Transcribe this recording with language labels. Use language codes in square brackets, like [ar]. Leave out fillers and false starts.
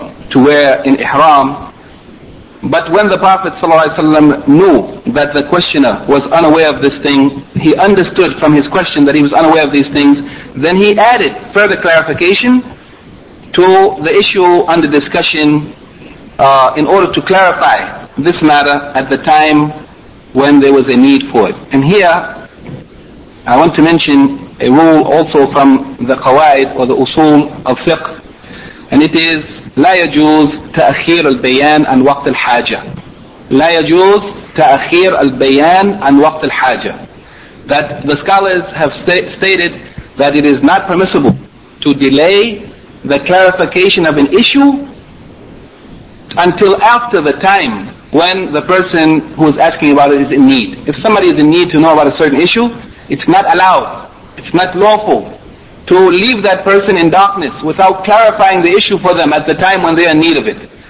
[en] to wear in ihram, but when the Prophet ﷺ knew that the questioner was unaware of this thing, he understood from his question that he was unaware of these things, then he added further clarification to the issue under discussion in order to clarify this matter at the time when there was a need for it. And here, I want to mention a rule also from the qawaid or the usul of fiqh, and it is, [ar] لا يجوز تأخير البيان عن وقت الحاجة. لا يجوز تأخير البيان عن وقت الحاجة. [en] That the scholars have stated that it is not permissible to delay the clarification of an issue until after the time when the person who is asking about it is in need. If somebody is in need to know about a certain issue, it's not allowed, it's not lawful to leave that person in darkness without clarifying the issue for them at the time when they are in need of it.